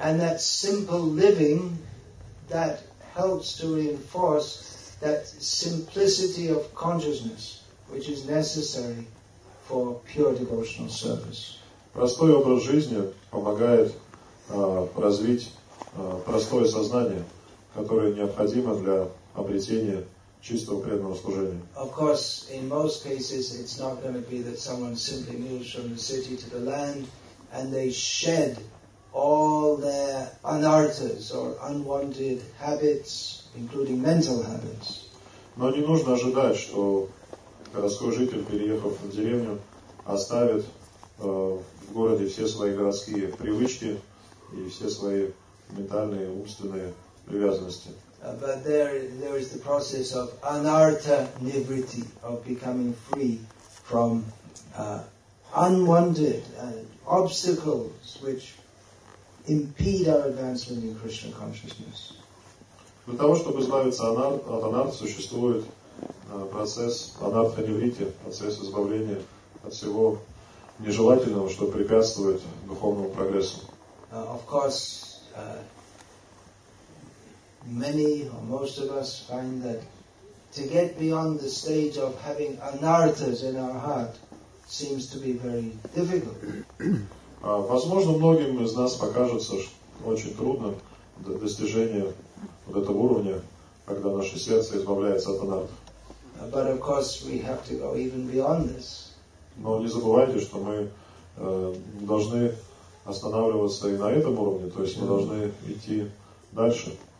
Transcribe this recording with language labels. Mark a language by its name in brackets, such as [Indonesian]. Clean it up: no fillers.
[English] And that simple living that helps to reinforce that simplicity of consciousness which is necessary for pure devotional service. [Russian] Простой образ жизни помогает развить простое сознание, которое необходимо для обретения чистого преданного служения. [English] Of course, in most cases, it's not going to be that someone simply moves from the city to the land and they shed all their anarthas or unwanted habits, including mental habits. [Russian] Но не нужно ожидать, что городской житель, переехав в деревню, оставит в городе все свои городские привычки и все свои ментальные, умственные привязанности. [English] But there is the process of anartha nivritti, of becoming free from unwanted obstacles which impede our advancement in Krishna consciousness. [Russian] Для того, чтобы избавиться от анарт, существует процесс анартха нивритти, процесс избавления от всего нежелательного, что препятствует духовному прогрессу. [English] Of course, many or most of us find that to get beyond the stage of having anarthas in our heart seems to be very difficult. [Russian] Возможно, многим из нас покажется очень трудно достижение вот этого уровня, когда наше сердце избавляется от анарт. [English] But of course, we have to go even beyond this. [Russian] Но не забывайте, что мы должны останавливаться и на этом уровне, то есть мы должны идти дальше.